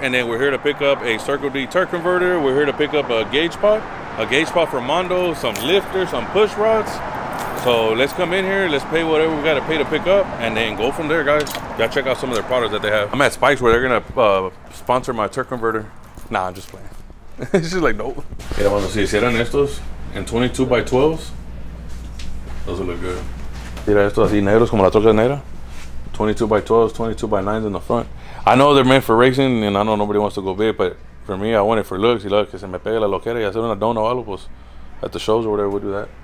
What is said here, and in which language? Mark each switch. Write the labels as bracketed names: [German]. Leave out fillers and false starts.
[English] And then we're here to pick up a Circle D turret converter. We're here to pick up a gauge pot. A gauge pot for Mondo, some lifters, some push rods. So let's come in here, let's pay whatever we gotta pay to pick up, and then go from there, guys. Y'all check out some of their products that they have. I'm at Spike's where they're gonna sponsor my turret converter. Nah, I'm just playing. She's like, nope. [Spanish] Hey, vamos a ver si eran estos en 22 by 12s. [English] Those look good. [Spanish] Mira estos así negros como la troca negra. [English] 22 by 12s, 22 by 9s in the front. I know they're meant for racing, and I know nobody wants to go big, but for me, I want it for looks. [Spanish] Y luego que se me pegue la loquera y hacer una dona o algo, pues, [English] at the shows or whatever, we'll do that.